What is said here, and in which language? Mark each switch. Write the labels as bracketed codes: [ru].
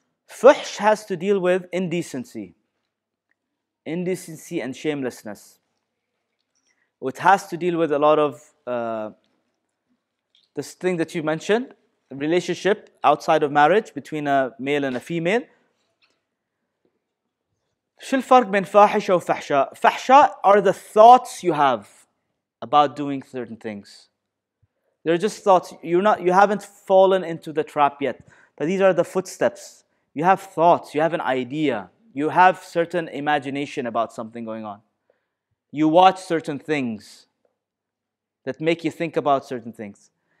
[en] فحش has to deal with indecency. Indecency and shamelessness. It has to deal with a lot of this thing that you mentioned. Relationship outside of marriage between a male and a female. [ar] شو الفرق بين فاحشة وفحشاء? [en] فحشاء are the thoughts you have about doing certain things. They're just thoughts. You haven't fallen into the trap yet. But these are the footsteps. You have thoughts. You have an idea. You have certain imagination about something going on. You watch certain things that make you think about certain things.